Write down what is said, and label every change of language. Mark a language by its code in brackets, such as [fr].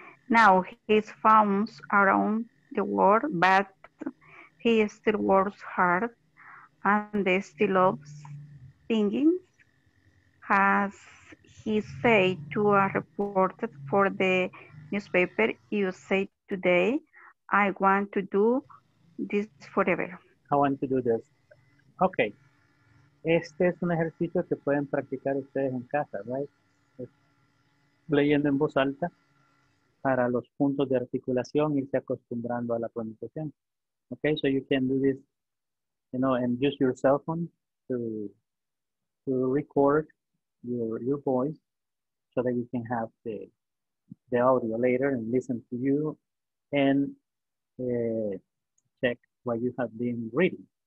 [en] Now he's famous around the world, but he still works hard and still loves singing. As he said to a reporter for the newspaper USA Today, I want to do this forever. I want to do this. Okay. [es] Este es un ejercicio que pueden practicar ustedes en casa, right? Leyendo en voz alta para los puntos de articulación y irse acostumbrando a la pronunciación. [en] Okay, so you can do this, you know, and use your cell phone to record your voice so that you can have the audio later and listen to you and check what you have been reading.